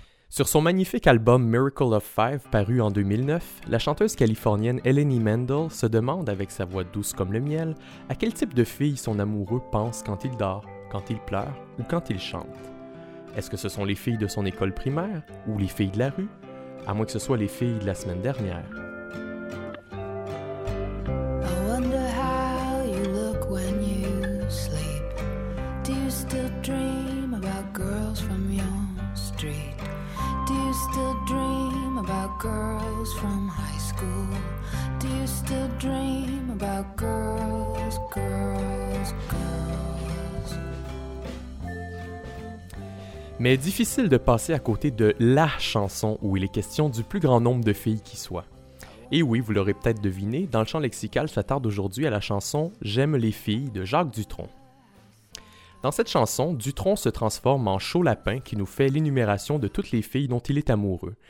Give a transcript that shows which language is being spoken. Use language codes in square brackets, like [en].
[fr] Sur son magnifique album Miracle of Five, paru en 2009, la chanteuse californienne Eleni Mendel se demande, avec sa voix douce comme le miel, à quel type de fille son amoureux pense quand il dort, quand il pleure ou quand il chante. Est-ce que ce sont les filles de son école primaire ou les filles de la rue? À moins que ce soit les filles de la semaine dernière. [en] I wonder how you look when you sleep. Do you still dream about girls from your street? Do you still dream about girls from high school? Do you still dream about girls, girls, girls? [fr] Mais difficile de passer à côté de LA chanson où il est question du plus grand nombre de filles qui soient. Et oui, vous l'aurez peut-être deviné, dans le champ lexical s'attarde aujourd'hui à la chanson « J'aime les filles » de Jacques Dutronc. Dans cette chanson, Dutronc se transforme en chaud lapin qui nous fait l'énumération de toutes les filles dont il est amoureux.